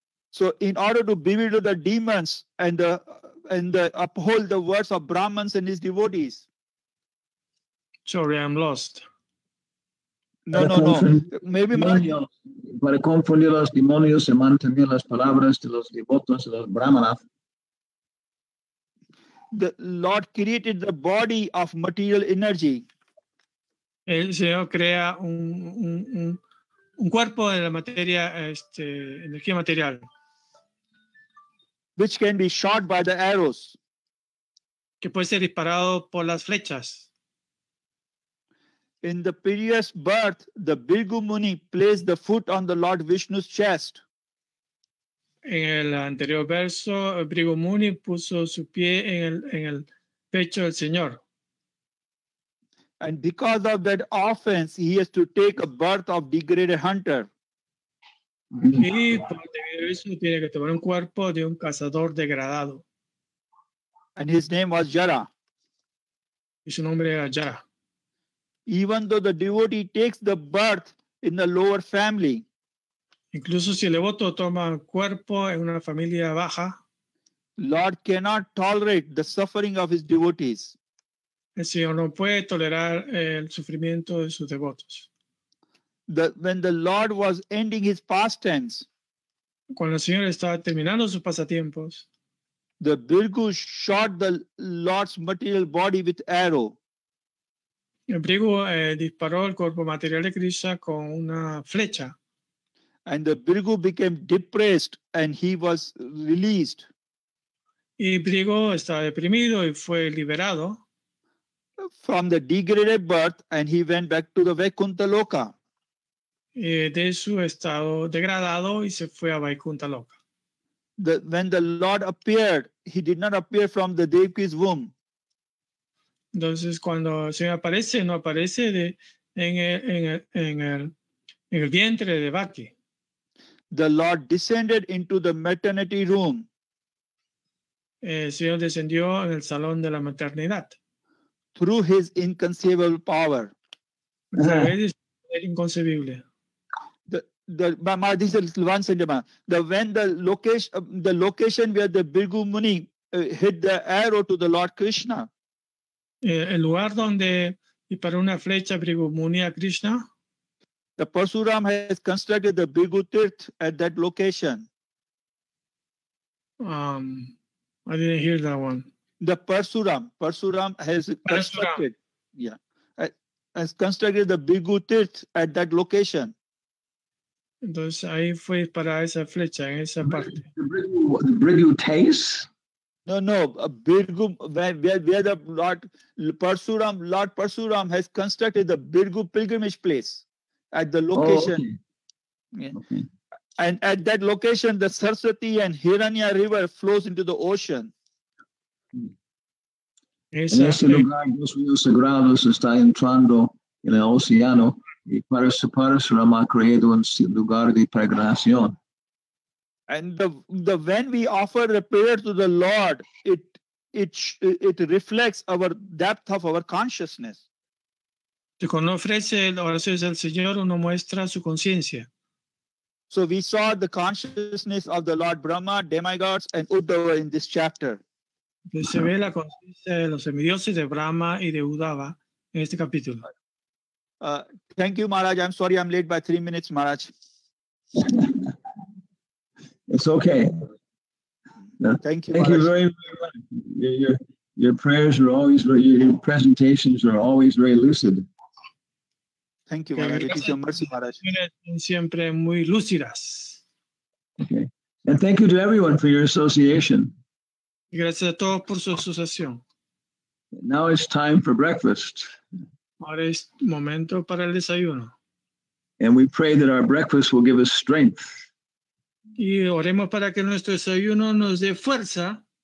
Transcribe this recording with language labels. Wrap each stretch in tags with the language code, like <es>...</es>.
<en>So in order to bewilder the demons and uphold the words of Brahmins and his devotees. Sorry, I'm lost. No. Maybe</en> <es>demonios, para confundir los demonios y mantener las palabras de los devotos y los brahmanas.</es> <en>The Lord created the body of material energy.</en> <es>El Señor crea un cuerpo de la materia, energía material.</es> <en>Which can be shot by the arrows.</en> <es>Que puede ser disparado por las flechas.</es> <en>In the previous birth, the Bilgu Muni placed the foot on the Lord Vishnu's chest.</en> <es>En el anterior verso, Bilgu Muni puso su pie en el pecho del Señor.</es> <en>And because of that offense, he has to take a birth of degraded hunter.</en> <es>Y por debido a eso, tiene que tomar un cuerpo de un cazador degradado.</es> <en>And his name was Jara.</en> <es>Y su nombre era Jara.</es> <en>Even though the devotee takes the birth in the lower family.</en> <es>Incluso si el devoto toma cuerpo en una familia baja.</es> <en>Lord cannot tolerate the suffering of his devotees.</en> <es>El Señor no puede tolerar el sufrimiento de sus devotos.</es> <en>When the Lord was ending his pastimes.</en> <es>Cuando el Señor estaba terminando sus pasatiempos.</es> <en>The Bhrigu shot the Lord's material body with arrow.</en> <es>El Bhrigu disparó el cuerpo material de Krishna con una flecha.</es> <en>And the Bhrigu became depressed and he was released.</en> <es>Y Bhrigu estaba deprimido y fue liberado.</es> <en>From the degraded birth and he went back to the Vaikuntha Loka.</en> <es>Y de su estado degradado y se fue a Vaikuntha Loka.</es> <en>When the Lord appeared, he did not appear from the Devaki's womb.</en> <es>Entonces, cuando el Señor aparece, no aparece en el vientre de Vaki.</es> <en>The Lord descended into the maternity room.</en> <es>El Señor descendió en el salón de la maternidad.</es> <en>Through his inconceivable power.</en> <es>Inconcebible.</es> <en>The location where the Bhrigu Muni hit the arrow to the Lord Krishna.</en> <es>El lugar donde disparó una flecha Bhrigu Muni a Krishna.</es> <en>The Parsuram has constructed the Bhrigu Tirth at that location. I didn't hear that one. The Parsuram has constructed the Bhrigu Tirth at that location.</en> <es>Entonces ahí fue para esa flecha en esa parte.</es> <en>The Bhrigu Tirth. No, Bhrigu, where the Lord Parsuram has constructed the Bhrigu pilgrimage place at the location. Oh, okay. Yeah. And at that location, the Saraswati and Hiranya River flows into the ocean.</en> <es>En ese lugar, los ríos sagrados está entrando en el océano y para su parasurama creado en lugar de peregrinación.</es> <en>And the when we offer a prayer to the Lord, it reflects our depth of our consciousness.</en> <es>Si cuando ofrece oraciones al Señor, uno muestra su conciencia.</es> <en>So we saw the consciousness of the Lord Brahma, demigods, and Uddhava in this chapter.</en> <es>Se ve la conciencia de los semidioses de Brahma y de Uddhava en este capítulo.</es> <en>Thank you, Maharaj. I'm sorry I'm late by 3 minutes, Maharaj. It's okay. No. Thank you. Thank you very, very much. Your prayers are always, your presentations are always very lucid. Thank you, Maharaj. It is your mercy, Maharaj.</en> <es>Siempre muy lúcidas.</es> <en>Okay. And thank you to everyone for your association.</en> <es>Gracias a todos por su asociación.</es> <en>Now it's time for breakfast.</en> <es>Ahora es momento para el desayuno.</es> <en>And we pray that our breakfast will give us strength.</en> <es>Y oremos para que nuestro desayuno nos dé fuerza.</es>